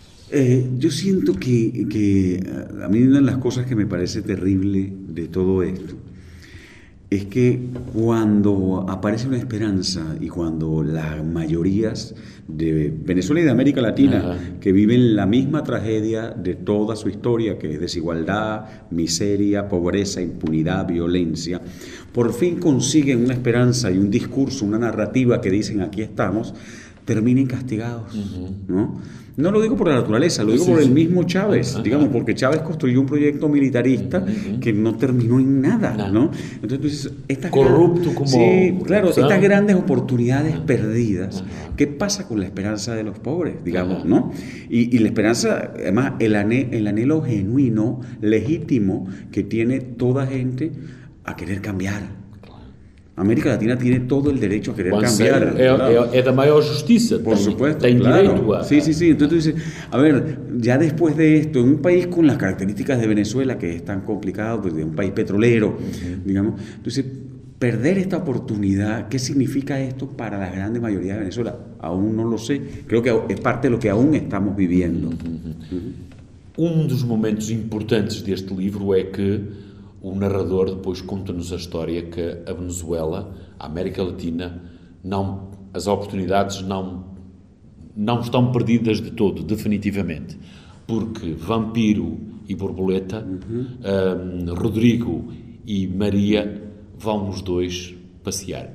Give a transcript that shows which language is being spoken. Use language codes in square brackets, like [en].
[pt] Eu sinto que a mim uma das coisas que me parece terrível de todo isto é que quando aparece uma esperança e quando as maiorias [es] de Venezuela y de América Latina, que viven la misma tragedia de toda su historia, que es desigualdad, miseria, pobreza, impunidad, violencia, por fin consiguen una esperanza y un discurso, una narrativa que dicen aquí estamos, terminen castigados, ¿no? No lo digo por la naturaleza, lo digo por el mismo Chávez, digamos, porque Chávez construyó un proyecto militarista que no terminó en nada, ¿no? Entonces, estas corrupto gran... como sí, claro, ¿sabes? Estas grandes oportunidades perdidas, ¿qué pasa con la esperanza de los pobres, digamos, ¿no? Y la esperanza, además, el anhelo genuino, legítimo que tiene toda gente a querer cambiar. América Latina tiene todo el derecho a querer cambiar. Es la mayor justicia. Por supuesto, claro. Sí, sí, sí. Entonces tú dices, a ver, ya después de esto, en un país con las características de Venezuela, que es tan complicado, pues, de un país petrolero, digamos, tú dices, perder esta oportunidad, ¿qué significa esto para la grande mayoría de Venezuela? Aún no lo sé. Creo que es parte de lo que aún estamos viviendo. Dos momentos importantes de este libro es que [pt] o narrador depois conta-nos a história que a Venezuela, a América Latina, não, as oportunidades não estão perdidas de todo, definitivamente. Porque Vampiro e Borboleta, Rodrigo e Maria vão os dois passear.